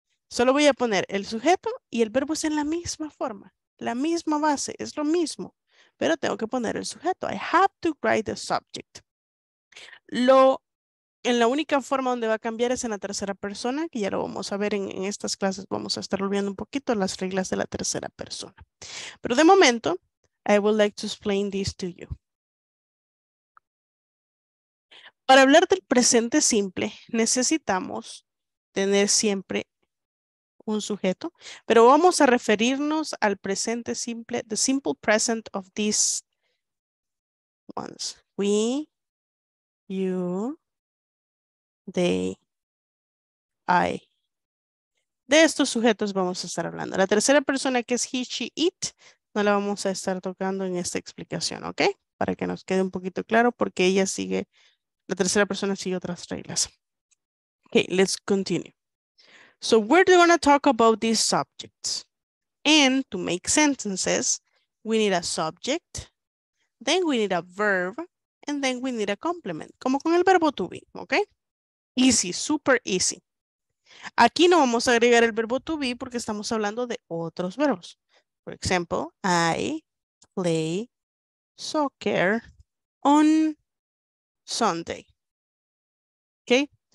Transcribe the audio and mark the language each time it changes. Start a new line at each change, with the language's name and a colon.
Spanish: Solo voy a poner el sujeto y el verbo es en la misma forma, la misma base, es lo mismo. Pero tengo que poner el sujeto.
English: I have to write the subject.
Spanish: En la única forma donde va a cambiar es en la tercera persona, que ya lo vamos a ver en estas clases. Vamos a estar olvidando un poquito las reglas de la tercera persona. Pero de momento,
English: I would like to explain this to you.
Spanish: Para hablar del presente simple, necesitamos tener siempre un sujeto, pero vamos a referirnos al presente simple,
English: the simple present of these ones. We, you, they, I.
Spanish: De estos sujetos vamos a estar hablando. La tercera persona, que es he, she, it, no la vamos a estar tocando en esta explicación, ¿ok? Para que nos quede un poquito claro, porque la tercera persona sigue otras reglas.
English: Okay, let's continue. So we're going to talk about these subjects. And to make sentences, we need a subject, then we need a verb, and then we need a complement.
Spanish: Como con el verbo
English: to be, okay? Easy, super easy.
Spanish: Aquí no vamos a agregar el verbo to be porque estamos hablando de otros verbos.
English: For example, I play soccer on Sunday. Okay?